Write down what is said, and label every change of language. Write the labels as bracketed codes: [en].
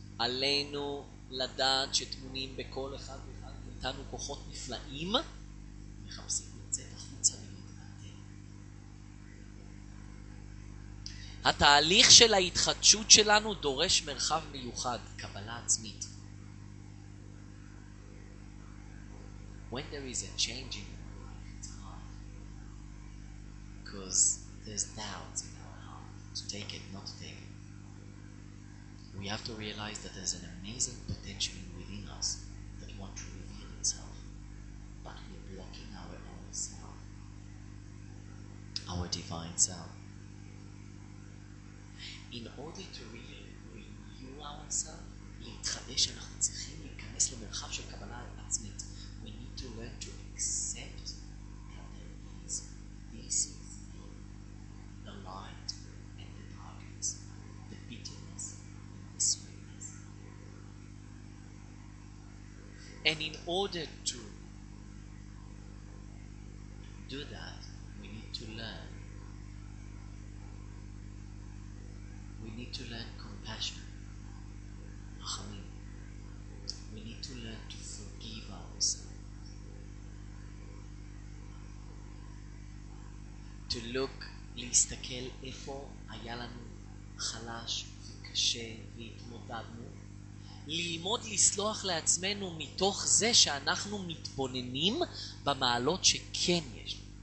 [he] עלינו לדעת שתמונים בכל אחד ואחד איתנו כוחות נפלאים מחפשים לצאת החוצה ולהתנתן. התהליך של ההתחדשות שלנו דורש מרחב מיוחד, קבלה עצמית. [en] When there is a change in our life, it's hard. Because there's doubt in our heart. To take it, not to take it. We have to realize that there's an amazing potential within us that wants to reveal itself. But we're blocking our own self. Our divine self. In order to really renew ourselves, [he] להתחדש, אנחנו צריכים להיכנס למרחב של קבלה עצמית. [en] We need to learn to accept that there is this is the light and the darkness, the bitterness and the sweetness. And in order to do that, we need to learn. We need to learn compassion. We need to learn to forgive ourselves. To look, [he] להסתכל איפה היה לנו חלש וקשה והתמודדנו. ללמוד לסלוח לעצמנו מתוך זה שאנחנו מתבוננים במעלות שכן יש.